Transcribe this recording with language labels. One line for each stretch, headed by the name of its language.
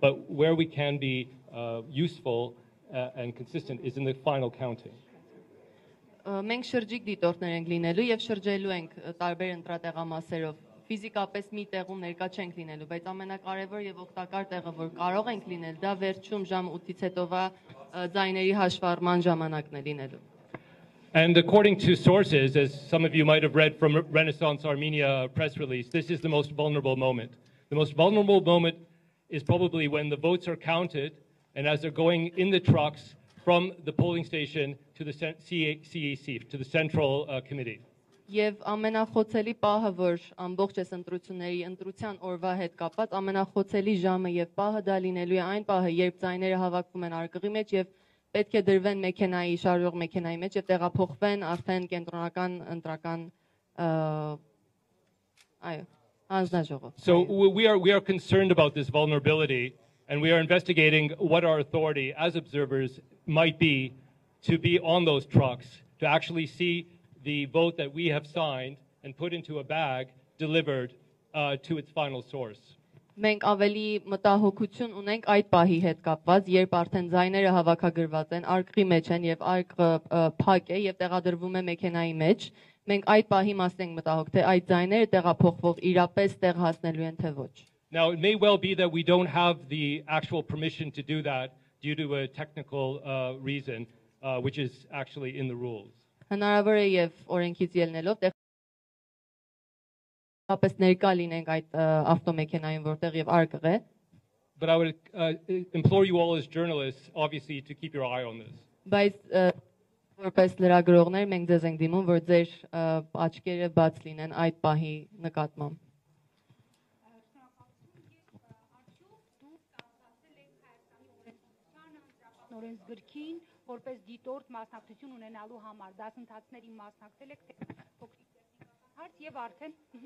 English: But where we can be useful and consistent is in the final counting.
Armenian: Մենք շրջիկ դիտորդներ ենք լինելու եւ շրջելու ենք տարբեր ընտրատեղամասերով։ Ֆիզիկապես մի տեղում ներկա չենք լինելու, բայց ամենակարևոր եւ օգտակար տեղը, որ կարող ենք լինել, դա վերջում ժամ 8-ից հետովա ձայների հաշվառման ժամանակն է լինելու։
English: And according to sources, as some of you might have read from Renaissance Armenia press release, this is the most vulnerable moment. The most vulnerable moment is probably when the votes are counted and as they're going in the trucks from the polling station to the CEC, to the central committee.
Armenian: Եվ ամենախոցելի պահը, որ ամբողջ այս ընտրությունների ընտրության օրվա հետ կապված, ամենախոցելի ժամը եւ պահը դա լինելու է այն պահը, երբ ձայները հավաքվում են արկղի մեջ եւ պետք է դրվեն մեքենայի, շարժող մեքենայի մեջ եւ տեղափոխվեն արդեն կենտրոնական ընտրական այո, հանձնաժողով։
English: So we are concerned about this vulnerability and we are investigating what our authority as observers might be to be on those trucks to actually see the vote that we have signed and put into a bag delivered to its final source.
Armenian: Մենք ավելի մտահոգություն ունենք այդ պահի հետ կապված, երբ արդեն ձայները հավաքագրված են, արկղի մեջ են եւ արկղը փակ է եւ տեղադրվում է մեքենայի մեջ, մենք այդ պահի մասին ենք մտահոգ, թե այդ ձայները տեղափոխվող իրապես տեղ հասնելու են թե ոչ։
English: Now it may well be that we don't have the actual permission to do that due to a technical reason which is actually in the rules.
Armenian: Հնարավոր է եւ օրենքից ելնելով տեղապես ներկա լինենք այդ ավտոմեքենային որտեղ եւ արկղ է։
English: But I would implore you all as journalists obviously to keep your eye on this.
Armenian: Բայց Որպես լրագրողներ մենք ձեզ ենք դիմում, որ ձեր աչքերը բաց լինեն այդ պահի նկատմամբ։ Գրքին որպես դիտորդ մասնակցություն ունենալու համար դասընթացների մասնակցել եք թե փոքրիկ դիտական հարց եւ արդեն